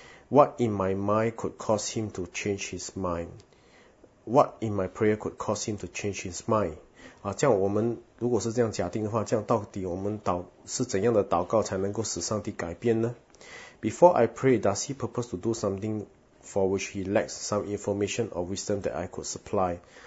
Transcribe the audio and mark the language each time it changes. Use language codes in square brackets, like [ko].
[en] What in my mind could cause him to change his mind? What in my prayer could cause him to change his mind? [zh] 啊，这样我们如果是这样假定的话，这样到底我们祷是怎样的祷告才能够使上帝改变呢？ [en] Before I pray, does he purpose to do something for which he lacks some information or wisdom that I could supply?